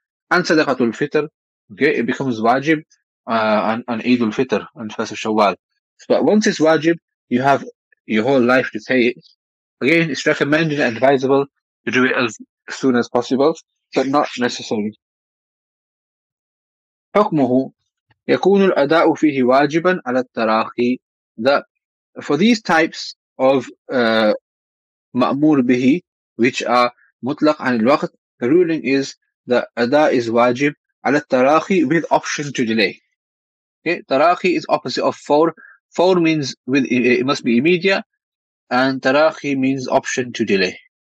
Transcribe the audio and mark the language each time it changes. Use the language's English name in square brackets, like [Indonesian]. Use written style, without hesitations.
[English] And Sadaqatul Fitr, okay, it becomes wajib on Eid al-Fitr, on first of Shawwal. But once it's wajib, you have your whole life to pay it. Again, it's recommended and advisable to do it as soon as possible, but not necessary. [Arabic] حكمه يكون الأداء فيه واجبا على التراخي. [English] That for these types of مأمور به, which are مطلق عن الوقت, the ruling is that أداء is [Arabic] واجب على التراخي [English] with option to delay. Okay, تراخي is opposite of فور. فور means it must be immediate, and تراخي means option to delay.